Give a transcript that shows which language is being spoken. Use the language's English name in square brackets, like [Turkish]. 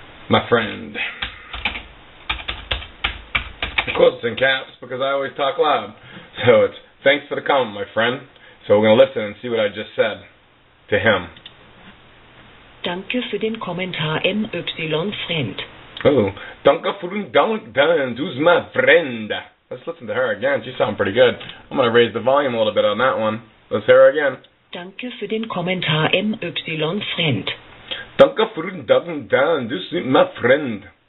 [English] My friend. Of course it's in caps, because I always talk loud. So it's, thanks for the comment, my friend. So we're going to listen and see what I just said to him. [German] Danke für den Kommentar, [English] MY Friend. [German] Oh, danke für den Kommentar, du bist mein Freund. [English] Let's listen to her again. She sounds pretty good. I'm going to raise the volume a little bit on that one. Let's hear her again. [German] Danke für den Kommentar, [English] MY Friend. [German] Danke für den Kommentar, du bist mein Freund.